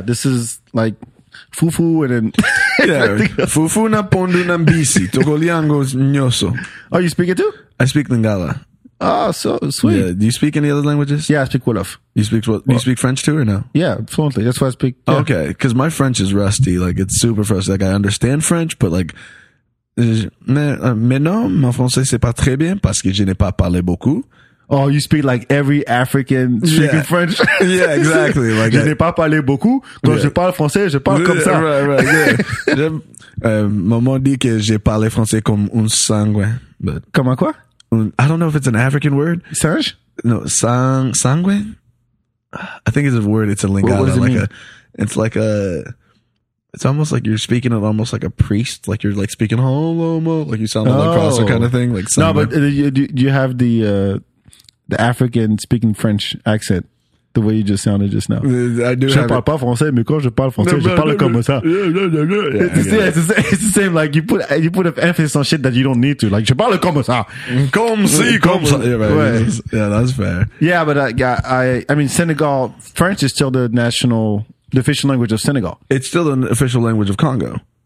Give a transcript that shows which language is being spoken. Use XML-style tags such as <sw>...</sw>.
<en>This is like fufu and then.</en> <ln>Yeah. Fufu na pondu na mbisi. Togoliango's nyoso.</ln> <en>Oh, you speak it too? I speak Lingala. Oh, so sweet. Yeah. Do you speak any other languages? Yeah, I speak Wolof. You speak French too or no? Yeah, fluently. That's why I speak. Yeah. Okay, because my French is rusty. Like, it's super fresh. Like, I understand French, but like,</en> <fr>mais non, mon français, c'est pas très bien parce que je n'ai pas parlé beaucoup.</fr> <en>Oh, you speak like every African speaking French. Yeah, exactly. Like,</en> <fr>je n'ai pas parlé beaucoup. Quand je parle français, je parle comme ça.</fr> <en>Right, yeah.</en> <fr>Maman dit que je parle français comme un sanguin. Comment quoi?</fr> <en>I don't know if it's an African word. Serge? No, sanguine? I think it's a word. It's a Lingala. What does it mean? It's like a... It's almost like you're speaking it almost like a priest. Like you're like speaking, like you sound like a professor kind of thing. Like no, but do you have the African speaking French accent the way you just sounded just now? I do</en> <fr>je have parle pas français, mais quand je parle français, je parle comme ça.</fr> <en>It's the same. Like you put an emphasis on shit that you don't need to.</en> <fr>Like, je parle comme ça. Comme si, comme ça.</fr> <en>Yeah, right. Yeah, that's fair. Yeah, but I mean, Senegal, French is still the national... The official language of Senegal. It's still an official language of Congo.</en>